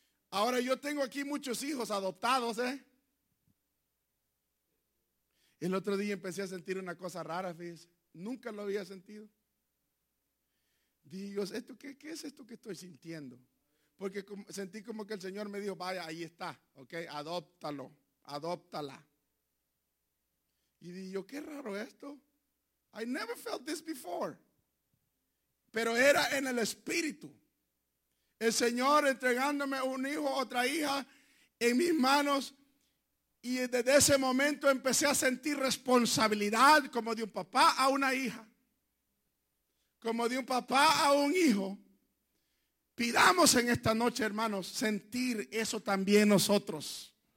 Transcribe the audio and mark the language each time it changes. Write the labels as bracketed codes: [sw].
[es] Ahora yo tengo aquí muchos hijos adoptados, El otro día empecé a sentir una cosa rara, fíjese. Nunca lo había sentido. Dije, Dios, ¿esto qué es esto que estoy sintiendo? Porque sentí como que el Señor me dijo, vaya, ahí está, ok, adóptalo, adóptala. Y dije yo, qué raro esto. [en] I never felt this before. [es] Pero era en el espíritu. El Señor entregándome un hijo, otra hija en mis manos. Y desde ese momento empecé a sentir responsabilidad como de un papá a una hija. Como de un papá a un hijo. Pidamos en esta noche, hermanos, sentir eso también nosotros.